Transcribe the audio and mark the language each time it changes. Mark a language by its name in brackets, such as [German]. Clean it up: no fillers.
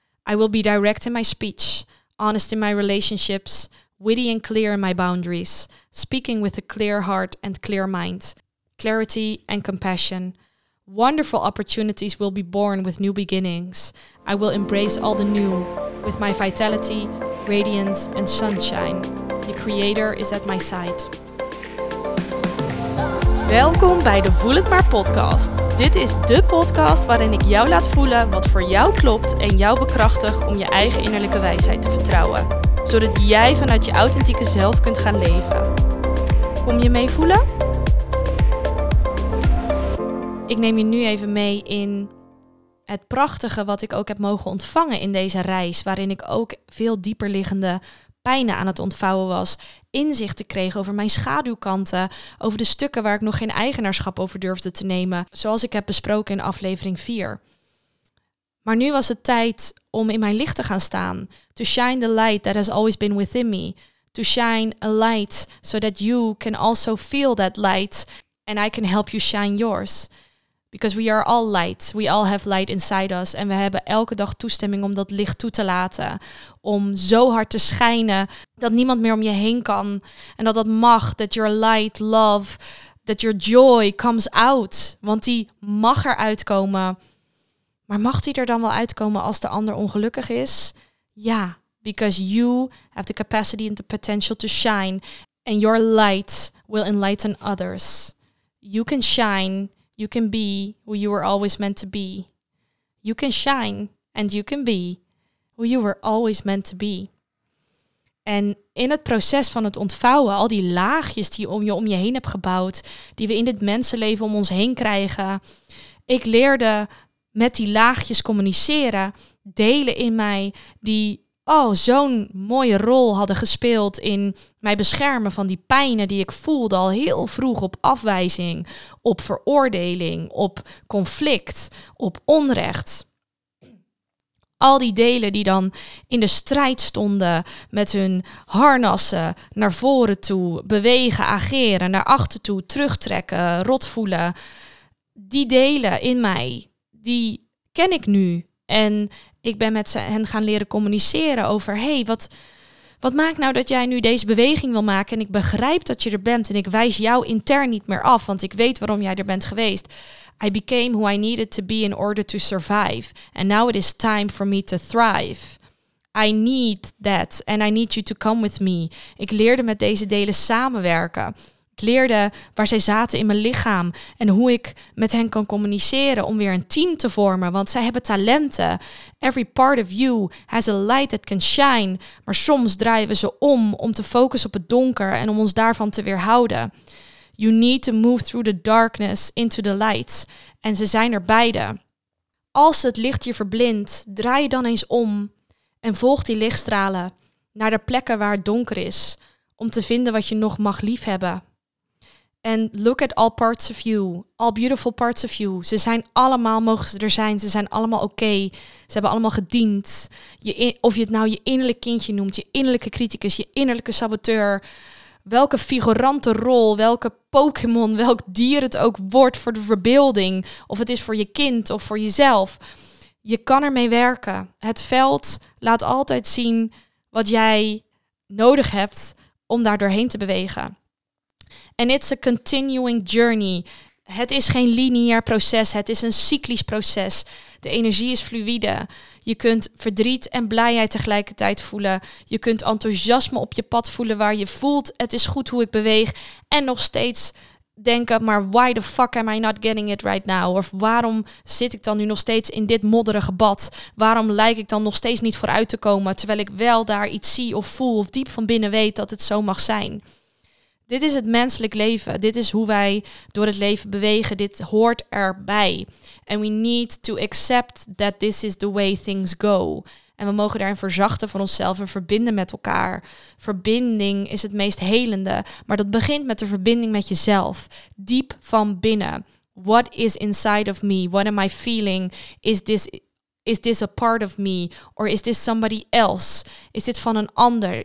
[English] I will be direct in my speech, honest in my relationships, witty and clear in my boundaries, speaking with a clear heart and clear mind. Clarity and compassion. Wonderful opportunities will be born with new beginnings. I will embrace all the new with my vitality, radiance and sunshine. The creator is at my side. [Dutch] Welkom bij de Voel Het Maar podcast. Dit is de podcast waarin ik jou laat voelen wat voor jou klopt en jou bekrachtigt om je eigen innerlijke wijsheid te vertrouwen. Zodat jij vanuit je authentieke zelf kunt gaan leven. Kom je mee voelen? Ik neem je nu even mee in het prachtige wat ik ook heb mogen ontvangen in deze reis, waarin ik ook veel dieperliggende pijnen aan het ontvouwen was, inzichten kreeg over mijn schaduwkanten, over de stukken waar ik nog geen eigenaarschap over durfde te nemen, zoals ik heb besproken in aflevering 4. Maar nu was het tijd om in mijn licht te gaan staan. [English] To shine the light that has always been within me. To shine a light so that you can also feel that light and I can help you shine yours. Because we are all light. We all have light inside us. [Dutch] En we hebben elke dag toestemming om dat licht toe te laten. Om zo hard te schijnen dat niemand meer om je heen kan. En dat dat mag. [English] That your light, love, that your joy comes out. [Dutch] Want die mag eruit komen. Maar mag die er dan wel uitkomen als de ander ongelukkig is? [English] Ja, because you have the capacity and the potential to shine. And your light will enlighten others. You can shine. You can be who you were always meant to be. You can shine and you can be who you were always meant to be. [Dutch] En in het proces van het ontvouwen, al die laagjes die je om je heen hebt gebouwd, die we in dit mensenleven om ons heen krijgen. Ik leerde met die laagjes communiceren, delen in mij die zo'n mooie rol hadden gespeeld in mij beschermen van die pijnen die ik voelde al heel vroeg op afwijzing, op veroordeling, op conflict, op onrecht. Al die delen die dan in de strijd stonden met hun harnassen naar voren toe, bewegen, ageren, naar achter toe, terugtrekken, rot voelen. Die delen in mij, die ken ik nu. En ik ben met hen gaan leren communiceren over, hey, wat maakt nou dat jij nu deze beweging wil maken? En ik begrijp dat je er bent en ik wijs jou intern niet meer af, want ik weet waarom jij er bent geweest. [English] I became who I needed to be in order to survive. And now it is time for me to thrive. I need that and I need you to come with me. [Dutch] Ik leerde met deze delen samenwerken. Ik leerde waar zij zaten in mijn lichaam en hoe ik met hen kan communiceren om weer een team te vormen. Want zij hebben talenten. [English] Every part of you has a light that can shine. [Dutch] Maar soms draaien we ze om te focussen op het donker en om ons daarvan te weerhouden. [English] You need to move through the darkness into the light. [Dutch] En ze zijn er beide. Als het licht je verblindt, draai je dan eens om en volg die lichtstralen naar de plekken waar het donker is. Om te vinden wat je nog mag liefhebben. [English] And look at all parts of you, all beautiful parts of you. [Dutch] Ze zijn allemaal, mogen ze er zijn, ze zijn allemaal oké. Ze hebben allemaal gediend. Of je het nou je innerlijk kindje noemt, je innerlijke criticus, je innerlijke saboteur. Welke figurante rol, welke Pokémon, welk dier het ook wordt voor de verbeelding. Of het is voor je kind of voor jezelf. Je kan ermee werken. Het veld laat altijd zien wat jij nodig hebt om daar doorheen te bewegen. [English] And it's a continuing journey. [Dutch] Het is geen lineair proces, het is een cyclisch proces. De energie is fluïde. Je kunt verdriet en blijheid tegelijkertijd voelen. Je kunt enthousiasme op je pad voelen waar je voelt, het is goed hoe ik beweeg. En nog steeds denken, maar [English] why the fuck am I not getting it right now? [Dutch] Of waarom zit ik dan nu nog steeds in dit modderige bad? Waarom lijk ik dan nog steeds niet vooruit te komen, terwijl ik wel daar iets zie of voel of diep van binnen weet dat het zo mag zijn? Dit is het menselijk leven. Dit is hoe wij door het leven bewegen. Dit hoort erbij. [English] And we need to accept that this is the way things go. [Dutch] En we mogen daarin verzachten voor onszelf en verbinden met elkaar. Verbinding is het meest helende. Maar dat begint met de verbinding met jezelf. Diep van binnen. [English] What is inside of me? What am I feeling? Is this a part of me? Or is this somebody else? [Dutch] Is dit van een ander?